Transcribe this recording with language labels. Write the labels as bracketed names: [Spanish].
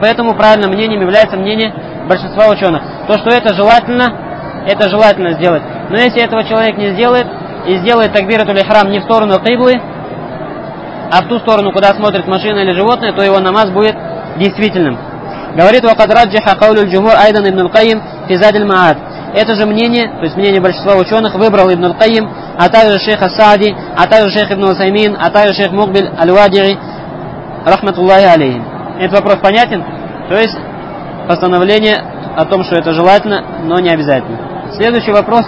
[Russian] Поэтому правильным мнением является мнение большинства ученых. То, что это желательно сделать. Но если этого человек не сделает, и сделает такбират или храм не в сторону киблы, а в ту сторону, куда смотрит машина или животное, то его намаз будет действительным. Говорит [Arabic] وَقَدْ رَجَّحَ قَوْلُ الْجُمْهُرِ أَيْضًا إِبْنُ الْقَيِّمِ فِي زَادِ الْمَعَادِ. [Russian] Это же мнение, то есть мнение большинства ученых, выбрал Ибн Аль-Кайим, а также шейх Ас-Саади, а также шейх Ибн Усаймин, а также шейх Мукбиль Аль-Вадии, рахматуллахи алейхи. Этот вопрос понятен? То есть постановление о том, что это желательно, но не обязательно. Следующий вопрос.